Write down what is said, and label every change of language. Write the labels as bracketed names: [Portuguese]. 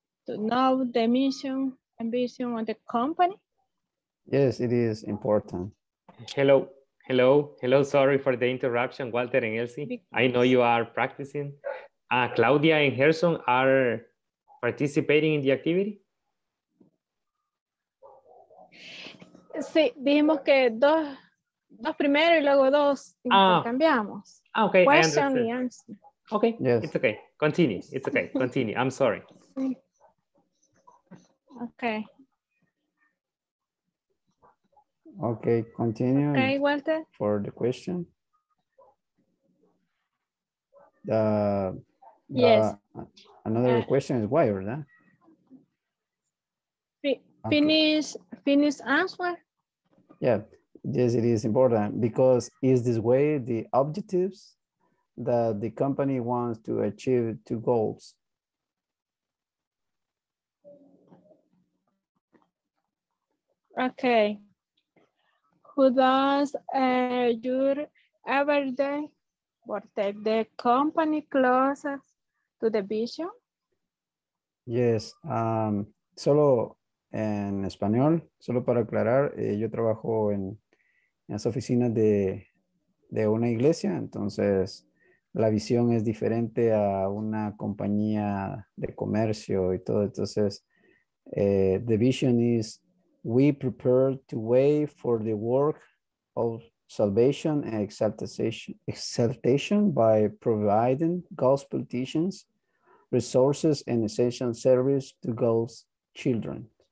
[English] to know the mission and vision of the company? Yes, it is important. Hello, hello, hello. Sorry for the interruption, Walter and Elsie. I know you are practicing. Claudia and Gerson are participating in the activity? [Spanish] Sí, dijimos que dos primero y luego dos intercambiamos. [English] Ah, okay. Question and answer. Okay, yes. It's okay. Continue. It's okay. Continue. I'm sorry. Okay. Okay, continue. Okay, Walter. For the question. Yes. Another question is why, right? Finish answer. Yeah, yes, it is important because is this way the objectives that the company wants to achieve two goals? Okay. Who does your everyday work take the company closer to the vision? Yes, solo. [Spanish] En español, solo para aclarar, yo trabajo en las oficinas de una iglesia, entonces la visión es diferente a una compañía de comercio y todo. [English] Entonces, the vision is we prepare to wait for the work of salvation and exaltation by providing gospel teachings, resources, and essential service to God's children.